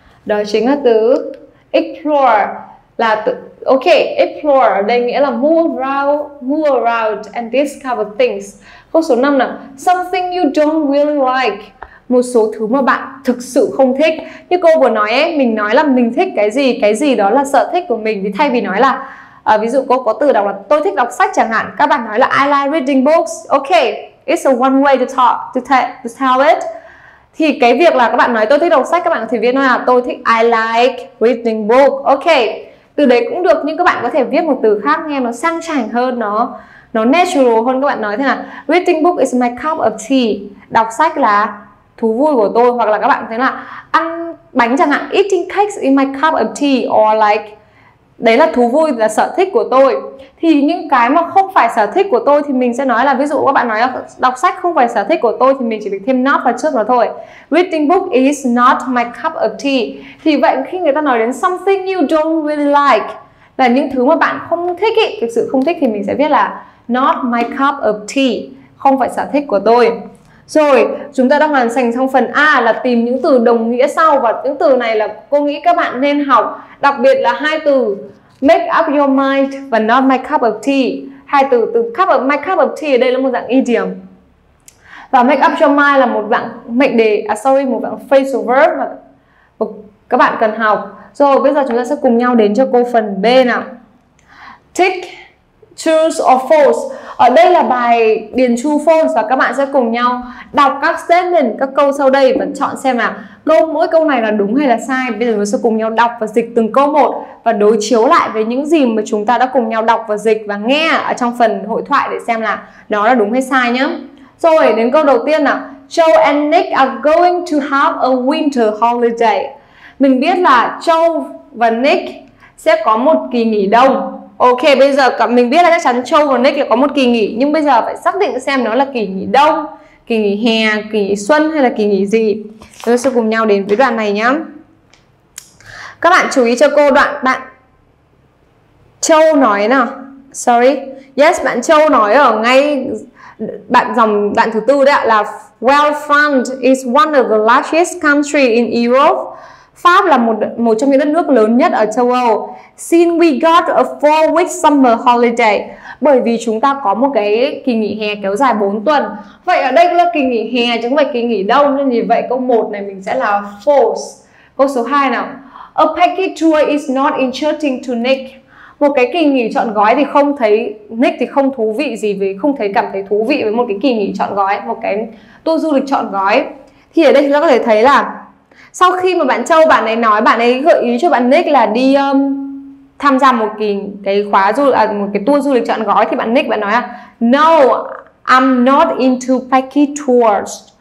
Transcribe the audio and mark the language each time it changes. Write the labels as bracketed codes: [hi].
[vi] Đó chính là từ explore, là từ, ok, explore đây nghĩa là [en] move around and discover things. [vi] Câu số 5 nào. [en] Something you don't really like, [vi] một số thứ mà bạn thực sự không thích. Như cô vừa nói ấy, mình nói là mình thích cái gì đó là sở thích của mình, thì thay vì nói là ví dụ cô có từ đọc là tôi thích đọc sách chẳng hạn, các bạn nói là [en] I like reading books. Ok, it's a one way to talk, to tell it. [vi] Thì cái việc là các bạn nói tôi thích đọc sách, các bạn có thể viết là tôi thích I like reading book. Ok, từ đấy cũng được, nhưng các bạn có thể viết một từ khác nghe nó sang chảnh hơn, nó natural hơn. Các bạn nói thế nào, [en] reading book is my cup of tea, [vi] đọc sách là thú vui của tôi. Hoặc là các bạn thấy là ăn bánh chẳng hạn, [en] eating cakes is my cup of tea, [vi] or like đấy là thú vui, là sở thích của tôi. Thì những cái mà không phải sở thích của tôi thì mình sẽ nói là, ví dụ các bạn nói là đọc sách không phải sở thích của tôi thì mình chỉ việc thêm not vào trước đó thôi. [en] Reading book is not my cup of tea. [vi] Thì vậy khi người ta nói đến [en] something you don't really like, [vi] là những thứ mà bạn không thích ý, thực sự không thích, thì mình sẽ viết là not my cup of tea, không phải sở thích của tôi. Rồi, chúng ta đã hoàn thành xong phần A là tìm những từ đồng nghĩa sau. Và những từ này là cô nghĩ các bạn nên học, đặc biệt là hai từ make up your mind và not my cup of tea. Hai từ, từ cup of, my cup of tea ở đây là một dạng idiom, và make up your mind là một dạng mệnh đề, một dạng phrasal verb mà các bạn cần học. Rồi, bây giờ chúng ta sẽ cùng nhau đến cho cô phần B nào. [en] Tick, truth or false. [vi] Ở đây là bài điền true false, và các bạn sẽ cùng nhau đọc các statement, các câu sau đây và chọn xem là câu, mỗi câu này là đúng hay là sai. Bây giờ mình sẽ cùng nhau đọc và dịch từng câu một và đối chiếu lại với những gì mà chúng ta đã cùng nhau đọc và dịch và nghe ở trong phần hội thoại để xem là nó là đúng hay sai nhé. Rồi đến câu đầu tiên nào. [en] Joe and Nick are going to have a winter holiday. [vi] Mình biết là Joe và Nick sẽ có một kỳ nghỉ đông. Ok, bây giờ mình biết là chắc chắn Châu và Nick có một kỳ nghỉ, nhưng bây giờ phải xác định xem nó là kỳ nghỉ đông, kỳ nghỉ hè, kỳ nghỉ xuân hay là kỳ nghỉ gì. Chúng ta sẽ cùng nhau đến với đoạn này nhé. Các bạn chú ý cho cô đoạn bạn Châu nói nào. Sorry. Yes, bạn Châu nói ở ngay bạn dòng đoạn thứ tư đấy ạ, là [en] well, France is one of the largest country in Europe. [vi] Pháp là một trong những đất nước lớn nhất ở châu Âu. [en] Since we got a 4-week summer holiday, [vi] bởi vì chúng ta có một cái kỳ nghỉ hè kéo dài 4 tuần. Vậy ở đây là kỳ nghỉ hè chứ không phải kỳ nghỉ đông, nên như vậy câu 1 này mình sẽ là false. Câu số 2 nào. [en] A package tour is not interesting to Nick. [vi] Một cái kỳ nghỉ chọn gói thì không thấy, Nick thì không thú vị gì với, không thấy cảm thấy thú vị với một cái kỳ nghỉ chọn gói, một cái tour du lịch chọn gói. Thì ở đây chúng ta có thể thấy là sau khi mà bạn Châu, bạn ấy nói, bạn ấy gợi ý cho bạn Nick là đi tham gia một cái khóa du lịch, một cái tour du lịch chọn gói, thì bạn Nick bạn nói là [en] no, I'm not into package tours.